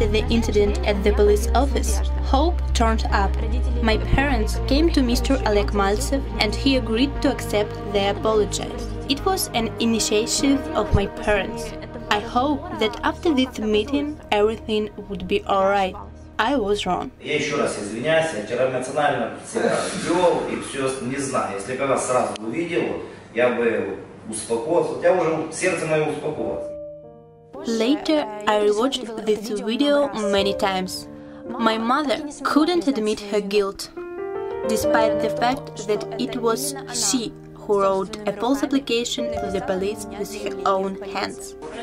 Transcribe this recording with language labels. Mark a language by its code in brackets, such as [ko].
[en] incident at the police office, Hope turned up. My parents came to Mr. Oleg Maltsev and he agreed to accept their apology. It was an initiation of my parents. I hope that after this meeting, everything would be all right. I was wrong. [ru] Я ещё раз извиняюсь, я вчера эмоционально вёл и всё, не знаю. Если бы я вас сразу увидел, я бы успокоился. Я уже сердце моё успокоилось. [en] Later, I rewatched this video many times. My mother couldn't admit her guilt, despite the fact that it was she who wrote a false application to the police with her own hands.